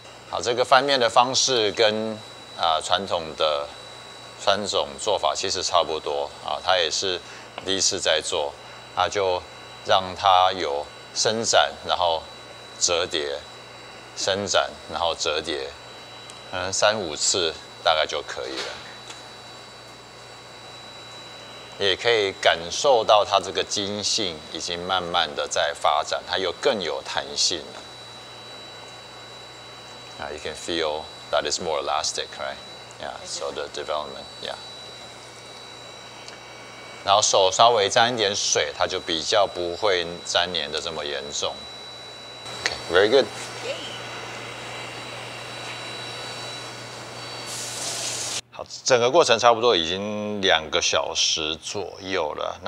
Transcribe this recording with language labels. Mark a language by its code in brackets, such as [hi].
[zh] 好，这个翻面的方式跟传统的酸种做法其实差不多啊，他也是第一次在做，那就让它有伸展，然后折叠，伸展，然后折叠，三五次大概就可以了。也可以感受到它这个筋性已经慢慢的在发展，它又更有弹性了。 [en] You can feel that it's more elastic, right? Yeah, so the development, yeah. [zh] 然后手稍微沾一点水，它就比较不会粘黏的这么严重。 [en] Okay, very good. Okay. [zh] 好，整个过程差不多已经两个小时左右了。